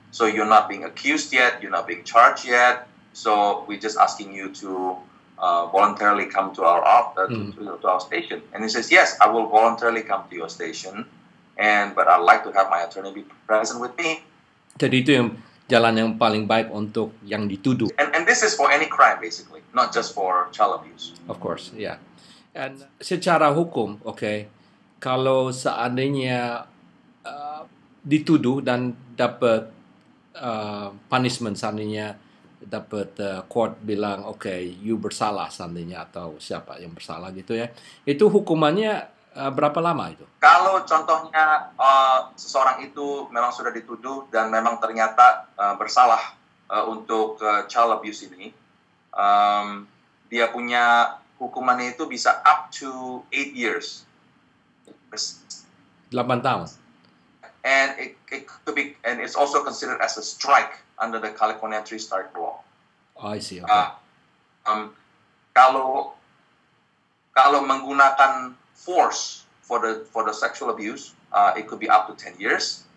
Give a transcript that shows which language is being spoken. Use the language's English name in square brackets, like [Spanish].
[English] So you're not being accused yet, you're not being charged yet, so we're just asking you to voluntarily come to our to our station. And he says, yes, I will voluntarily come to your station, but I'd like to have my attorney be present with me. [Indonesian] Jadi itu yang jalan yang paling baik untuk yang dituduh. [English] And this is for any crime basically, not just for child abuse. Of course, yeah. [Indonesian] And secara hukum, kalau seandainya dituduh dan dapat punishment, seandainya dapat court bilang you bersalah seandainya atau siapa yang bersalah gitu ya, itu hukumannya berapa lama itu? Kalau contohnya seseorang itu memang sudah dituduh dan memang ternyata bersalah untuk child abuse ini, dia punya hukumannya itu bisa [English] up to 8 years. [Indonesian] 8 tahun. [English] And it could be, and it's also considered as a strike under the California Three Strike Law. Oh, I see. Okay. [Indonesian] Kalau menggunakan [English] force for the sexual abuse, it could be up to 10 years.